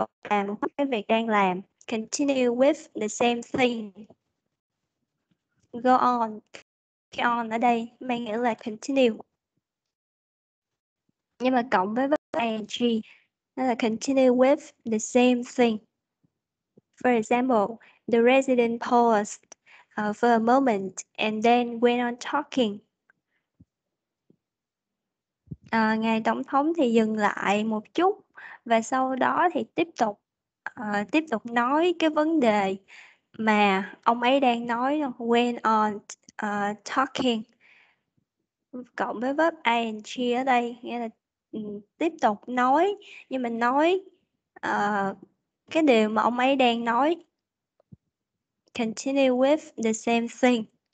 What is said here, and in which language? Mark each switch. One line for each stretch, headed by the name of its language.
Vietnamese: Làm cái việc đang làm,
English: continue with the same thing, go on, carry on
Vietnamese: ở đây mang nghĩa là continue, nhưng mà cộng với ing nó là
English: continue with the same thing. For example, the resident paused for a moment and then went on talking.
Vietnamese: Ngài tổng thống thì dừng lại một chút và sau đó thì tiếp tục nói cái vấn đề mà ông ấy đang nói,
English: went on talking,
Vietnamese: cộng với verb ing ở đây nghĩa là tiếp tục nói, nhưng mà nói cái điều mà ông ấy đang nói,
English: continue with the same thing.